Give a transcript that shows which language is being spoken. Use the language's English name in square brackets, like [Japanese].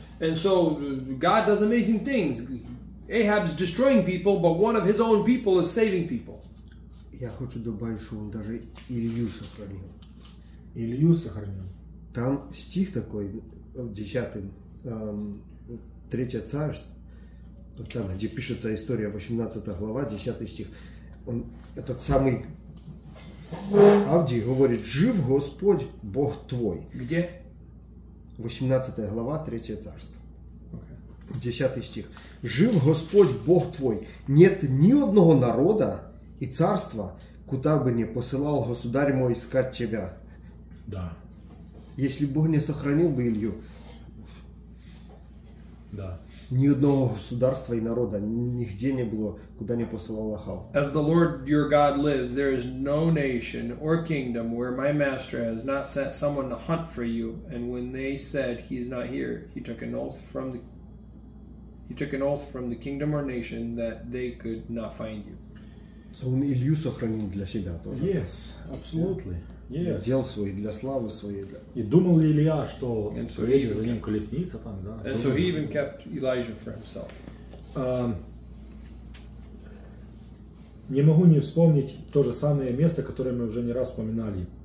[English] And so God does amazing things. Ahab's destroying people, but one of his own people is saving people. [Russian] Я хочу добавить, что он даже Илью сохранил. Илью сохранил. Там стих такой, в 10-м, 3 царство, вот там, где пишется история, 18 глава, 10 стих, он, этот самый Авдий говорит, жив Господь, Бог твой. Где? 18 глава, 3 царство. 10 стих. Жив Господь Бог твой. Нет ни одного народа и царства, куда бы не посылал государь мой искать тебя. Да. Если Бог не сохранил бы Илью. Да. Ни одного государства и народа нигде не было, куда не посылал Ахав. [English] As the Lord your God lives, there is no nation or kingdom where my master has not sent someone to hunt for you. And when they said he is not here, he took an oath from the kingdom or nation that they could not find you. So [Russian] он Илью сохранил для себя тоже. [English] Yes, absolutely. Yeah. Yes. [Russian] Для дел свой, для славы своей. Для... И думал ли Илья, что приедет за ним колесница там, да? [English] And so he even kept Elijah for himself. [Russian] Не могу не вспомнить то же самое место, которое мы уже не раз вспоминали.